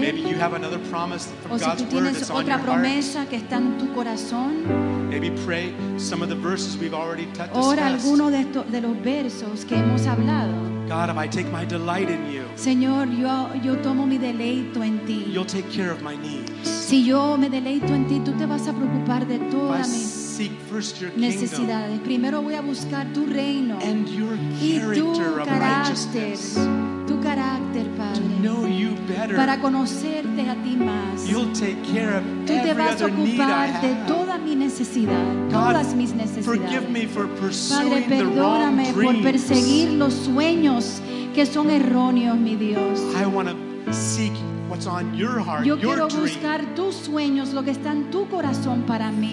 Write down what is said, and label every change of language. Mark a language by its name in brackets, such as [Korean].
[English] Maybe you have another promise from God's word. [Spanish] O si tú tienes otra promesa [English] heart. [Spanish] Que está en tu corazón. [English] Maybe pray some of the verses we've already discussed. [Spanish] Ora alguno de estos de los versos que hemos hablado. [English] God, if I take my delight in you, [Spanish] Señor, yo tomo mi deleito en ti. [English] You'll take care of my needs. [Spanish] Si yo me deleito en ti, tú te vas a preocupar de todas mis [English] seek first your [Spanish] necesidades. [English] Kingdom. [Spanish] Primero voy a buscar tu reino [English] and your character [Spanish] y tu carácter. [English] Of righteousness. To know you better, [Spanish] para conocerte a ti más. [English] You'll take care of [Spanish] tú te vas a ocupar de toda mi necesidad, [English] God, [Spanish] todas mis necesidades. [English] Forgive me for pursuing the wrong dreams. [Spanish] Padre, perdóname por perseguir los sueños que son erróneos, mi Dios. [English] I want to seek what's on your heart, [Spanish] yo [English] your dream. [Spanish] Yo quiero buscar tus sueños, lo que está en tu corazón para mí.